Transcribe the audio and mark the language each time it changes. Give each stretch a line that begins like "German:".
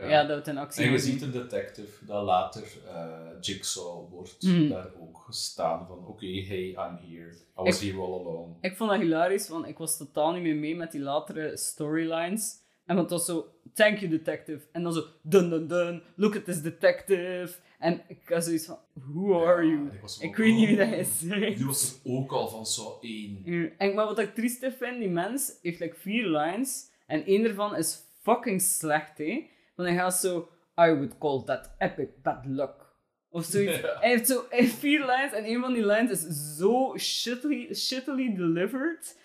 Dutch: Ja, dat het in actie is. En je ziet een detective dat later Jigsaw wordt.
English: Mm-hmm.
Dutch: Daar ook staan van, oké,
English: hey, I'm here. I was here all along.
Dutch: Ik vond dat hilarisch, want ik was totaal niet meer mee met die latere storylines. En want het was zo,
English: thank you detective.
Dutch: En dan zo, dun dun dun,
English: look at this detective.
Dutch: En ik had zoiets van,
English: who are you?
Dutch: Ik weet niet wie dat is. Die was er ook al van zo één. En, maar wat ik triest vind, die mens heeft like vier lines. En één ervan is fucking slecht, hè. Want hij gaat zo,
English: I would call that epic bad luck.
Dutch: Of zoiets. Yeah. Hij heeft zo vier lines en één van die lines is zo shittily delivered.